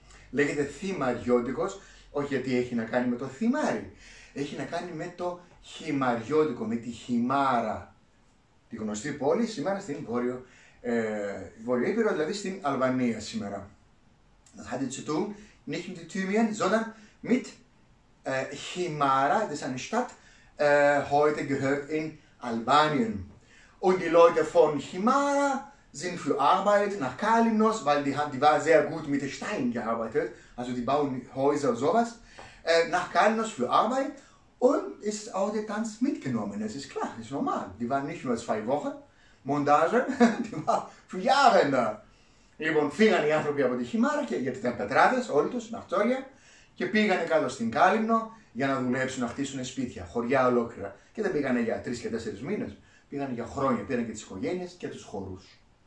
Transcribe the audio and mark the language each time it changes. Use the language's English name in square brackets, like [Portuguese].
[Greek] Λέγεται Fimariotikos, όχι γιατί έχει να κάνει με το θυμάρι. Έχει να κάνει με το χυμαριώτικο, με τη χυμάρα. Τη γνωστή πόλη σήμερα στην Βόρειο, Βόρειο Ήπειρο, δηλαδή στην Αλβανία σήμερα. [German] Das hat nichts zu tun. Nicht mit Thymien, sondern mit Himara, das ist eine Stadt, heute gehört in Albanien. Und die Leute von Himara sind für Arbeit nach Kalymnos, weil die war sehr gut mit Stein gearbeitet, also die bauen Häuser und sowas, nach Kalymnos für Arbeit und ist auch der Tanz mitgenommen. Das ist klar, das ist normal. Die waren nicht nur zwei Wochen Montage, die war für Jahre da. [Greek] Λοιπόν, φύγανε οι άνθρωποι από τη Χιμάρα και, γιατί ήταν πετράδες όλοι τους, ναυτόρια, και πήγανε κάτω στην Κάλυμνο για να δουλέψουν, να χτίσουν σπίτια, χωριά ολόκληρα. Και δεν πήγανε για 3 και 4 μήνες, πήγανε για χρόνια, πήραν και τις οικογένειες και τους χορούς.